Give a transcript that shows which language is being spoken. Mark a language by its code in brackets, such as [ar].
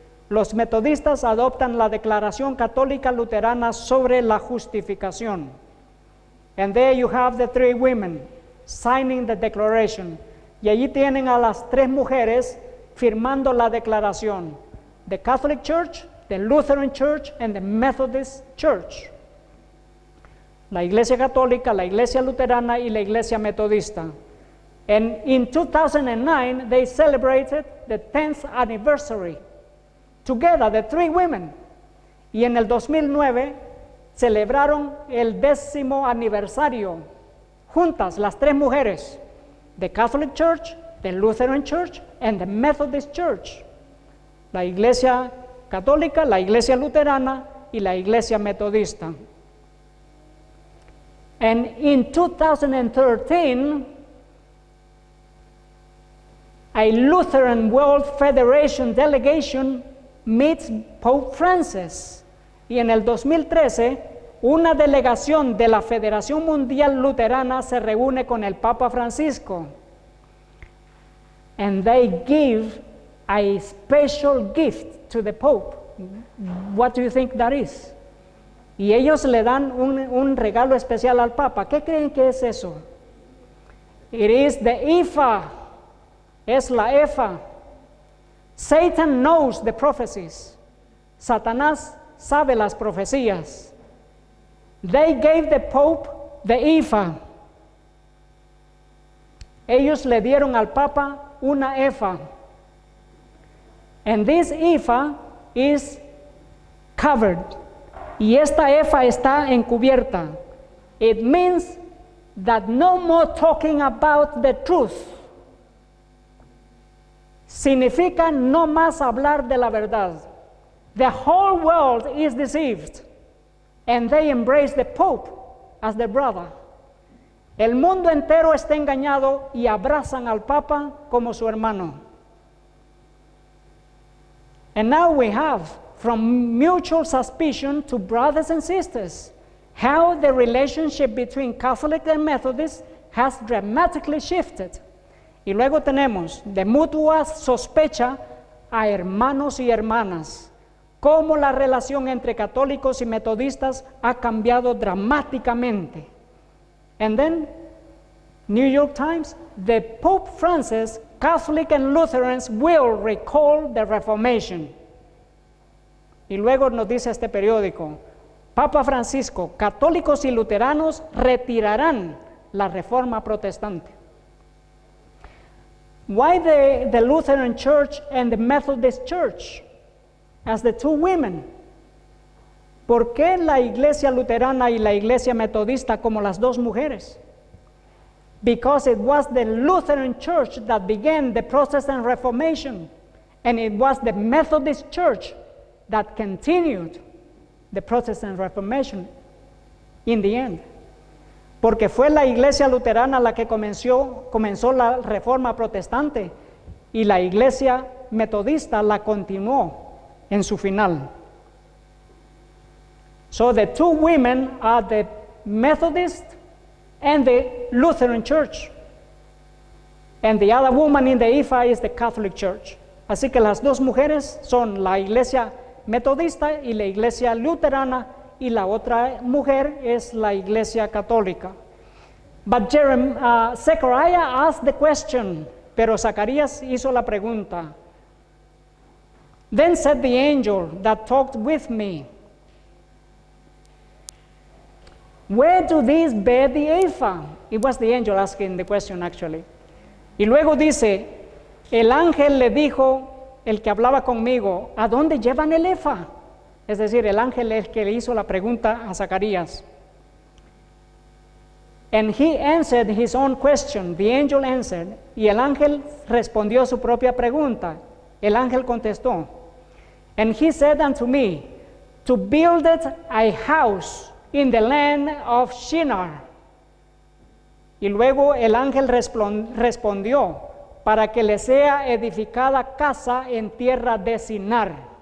[es] Los metodistas adoptan la Declaración Católica Luterana sobre la Justificación. [en] And there you have the three women signing the declaration. [es] Y allí tienen a las tres mujeres firmando la declaración. [en] The Catholic Church, the Lutheran Church, and the Methodist Church. [es] La Iglesia Católica, la Iglesia Luterana y la Iglesia Metodista. [en] And in 2009, they celebrated the 10th anniversary together, the three women. [es] Y en el 2009, celebraron el 10º aniversario juntas, las tres mujeres, [en] the Catholic Church, the Lutheran Church, and the Methodist Church. [es] La Iglesia Católica, la Iglesia Luterana y la Iglesia Metodista. [en] And in 2013, a Lutheran World Federation delegation meets Pope Francis. [es] Y en el 2013, una delegación de la Federación Mundial Luterana se reúne con el Papa Francisco. [en] And they give a special gift to the Pope. What do you think that is? [es] Y ellos le dan un regalo especial al Papa. ¿Qué creen que es eso? [en] It is the IFA. [es] Es la EFA. [en] Satan knows the prophecies. [es] Satanás sabe las profecías. [en] They gave the Pope the IFA. [es] Ellos le dieron al Papa una EFA. [en] And this IFA is covered. [es] Y esta EFA está encubierta. [en] It means that no more talking about the truth. [es] Significa no más hablar de la verdad. [en] The whole world is deceived. And they embrace the Pope as their brother. [es] El mundo entero está engañado y abrazan al Papa como su hermano. [en] And now we have, from mutual suspicion to brothers and sisters, how the relationship between Catholic and Methodist has dramatically shifted. [es] Y luego tenemos, de mutua sospecha a hermanos y hermanas, cómo la relación entre católicos y metodistas ha cambiado dramáticamente. [en] And then, New York Times, the Pope Francis, Catholic and Lutherans will recall the Reformation. [es] Y luego nos dice este periódico, Papa Francisco, católicos y luteranos retirarán la Reforma Protestante. [en] Why the Lutheran Church and the Methodist Church as the two women? [es] ¿Por qué la Iglesia Luterana y la Iglesia Metodista como las dos mujeres? [en] Because it was the Lutheran Church that began the Protestant Reformation, and it was the Methodist Church that continued the Protestant Reformation in the end. [es] Porque fue la Iglesia Luterana la que comenzó la Reforma Protestante, y la Iglesia Metodista la continuó en su final. [en] So the two women are the Methodist and the Lutheran Church. And the other woman in the IFA is the Catholic Church. [es] Así que las dos mujeres son la Iglesia Metodista y la Iglesia Luterana, y la otra mujer es la Iglesia Católica. [en] But Zechariah asked the question, [es] pero Zacarías hizo la pregunta. [en] Then said the angel that talked with me, where do these bear the Eifa? It was the angel asking the question, actually. [es] Y luego dice, el ángel le dijo, el que hablaba conmigo, ¿a dónde llevan el Eifa? Es decir, el ángel es el que le hizo la pregunta a Zacarías. [en] And he answered his own question, the angel answered, [es] y el ángel respondió su propia pregunta. El ángel contestó, [en] and he said unto me, to build it a house in the land of Shinar. [es] Y luego el ángel respondió, para que le sea edificada casa en tierra de Sinar.